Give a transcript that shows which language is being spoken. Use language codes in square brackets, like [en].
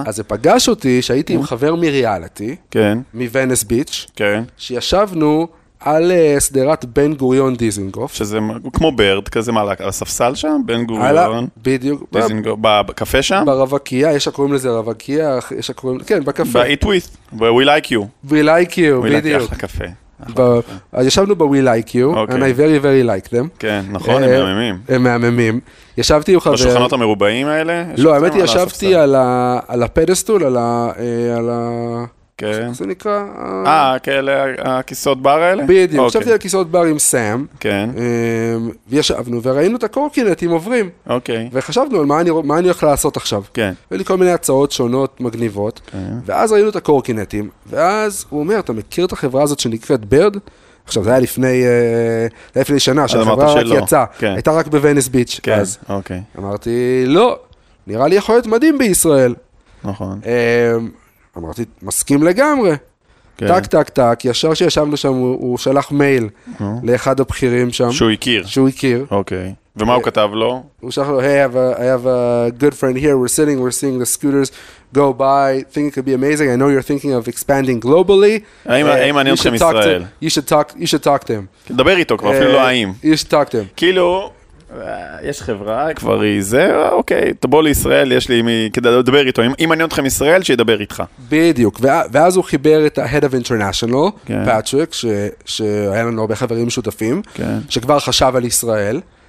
[he] אז זה פגש אותי שהייתי עם חבר מריאליטי. כן. מוונס ביץ'. כן. שישבנו על סדרת בן גוריון דיזנגוף. שזה כמו ברד, כזה מה, על הספסל שם? בן גוריון. בדיוק. דיזנגוף, בקפה שם? ברווקיה, יש הקוראים לזה רווקיה, יש הקוראים, כן, בקפה. ב-Eat With, We Like You. We Like You, בדיוק. אחלה קפה. ישבנו [en] ב-We Like You, and I very very like them. [he] כן, נכון, הם מהממים. הם מהממים. ישבתי עם חבר... בשולחנות המרובעים האלה? לא, האמת היא, ישבתי על הפדסטול, על ה... כן. זה נקרא... כאלה, הכיסאות בר האלה? בדיוק, okay. חשבתי על הכיסאות בר עם סאם. כן. וישבנו וראינו את הקורקינטים עוברים. אוקיי. [en] Okay. [he] וחשבנו על מה אני הולך לעשות עכשיו. כן. Okay. ולי כל מיני הצעות שונות, מגניבות. כן. Okay. ואז ראינו את הקורקינטים, ואז הוא אומר, אתה מכיר את החברה הזאת שנקראת ברד? עכשיו, זה היה לפני שנה, שהחברה רק יצאה. כן. הייתה רק בוונס ביץ'. כן, אז, אוקיי. אמרתי, לא, נראה לי יכול להיות מדהים בישראל. נכון. אמרתי, מסכים לגמרי. כן. טק, טק, טק, ישר שישבנו שם, הוא שלח מייל לאחד הבכירים שם. שהוא הכיר. שהוא הכיר. אוקיי. ומה הוא כתב לו? הוא שלח לו, [en] hey, I have a good friend here, we're seeing the scooters go by, think it could be amazing, I know you're thinking of expanding globally. [he] האם מעניין אתכם ישראל? [en] You should talk to him. [he] דבר איתו כבר, אפילו לא האם. [en] You should talk to him. [he] כאילו... יש חברה, כבר היא זה, אוקיי, תבוא לישראל, יש לי מי, כדי לדבר איתו, אם אני אתכם ישראל, שידבר איתך. בדיוק, ואז הוא חיבר את ה-Head of International, פאטריק, שהיה לנו הרבה חברים משותפים, שכבר חשב על ישראל.